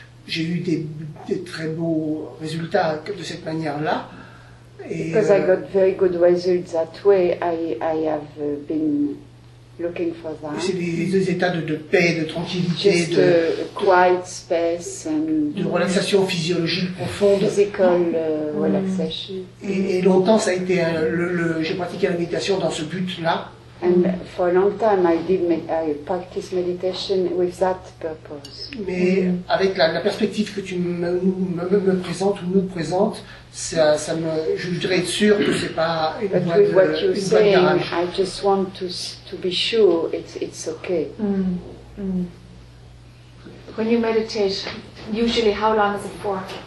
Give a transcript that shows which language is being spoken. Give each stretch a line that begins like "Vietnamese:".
French: J'ai eu des très beaux résultats de cette manière-là.
English: Because I got very good results that way, I have been looking for that.
French: C'est des états de paix, de tranquillité,
English: just
French: de
English: quiet space and
French: de relaxation physiologique profonde.
English: Physical relaxation.
French: Et longtemps, ça a été j'ai pratiqué la méditation dans ce but-là.
English: And for a long time, I practiced meditation with that purpose.
French: Mais avec la perspective que tu me présentes ou nous présentes, je voudrais être sûr que c'est pas une voie de garage.
English: But with what you're saying, I just want to be sure it's okay. When you meditate, usually how long is it for?